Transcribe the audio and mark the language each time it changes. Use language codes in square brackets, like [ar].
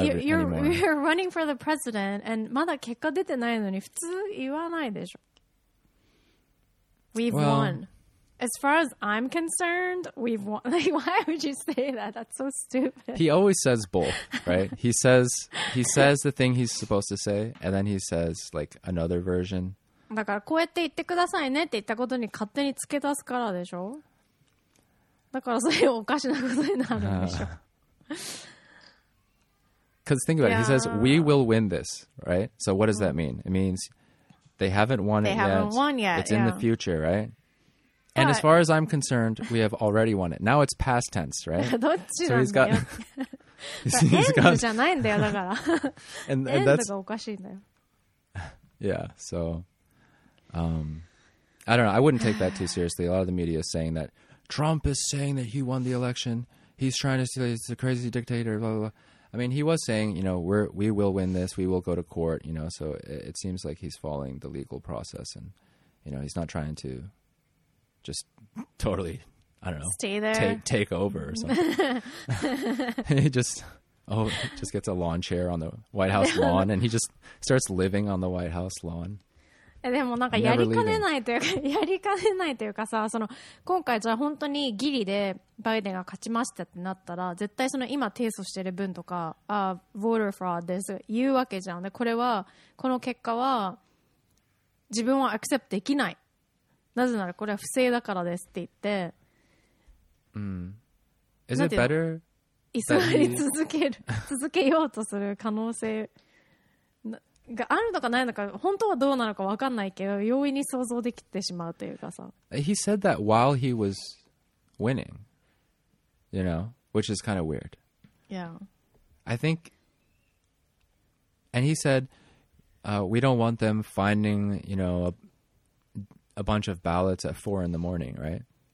[en] anymore. You're running for the president, and [ja] まだ結果出てないのに普通言わないでしょ。 [en] We've won. As far as I'm concerned, we've won. Like, why would you say that? That's so stupid. He always says both, right? he says the thing he's supposed to say, and then he says, like, another version. [ja] だからこうやって言ってくださいねって言ったことに勝手につけ出すからでしょ? だからそれおかしなことになるんでしょ? [en] Because think about it. He says, we will win this, right? So what does that mean? It means they haven't won it yet. They haven't won yet. It's in the future, right? And as far as I'm concerned, we have already won it. Now it's past tense, right? [ja] どっちなんだよ。 [en] he's got... [ja] じゃないんだよ、だから。 [en] and that's... [ja] がおかしいんだよ。 [en] Yeah, so... I don't know. I wouldn't take that too seriously. A lot of the media is saying that Trump is saying that he won the election. He's trying to say he's a crazy dictator, blah, blah, blah. I mean, he was saying, you know, we will win this. We will go to court, you know. So it seems like he's following the legal process. And, you know, he's not trying to... just totally, I don't know, stay there, take over or something. he just gets a lawn chair on the White House lawn and he just starts living on the White House lawn. [ja] でもなんかやりかねないというか、やりかねないというかさ、その今回じゃあ本当にギリでバイデンが勝ちましたってなったら、絶対その今提訴してる分とか、あ、 [en] voter fraud [ja] です言うわけじゃん。で、これは、この結果は自分はアクセプトできない。なぜならこれは不正だからですって言って。 [en] うん。Is it better? [ja] 居座り続ける、続けようとする可能性。があるのかないのか本当はどうなのか分かんないけど容易に想像できてしまうというかさ。 [en] He said that while he was winning, you know, which is kind of weird. Yeah. I think, and he said, we don't want them finding, you know, a bunch of ballots at 4 in the morning, right?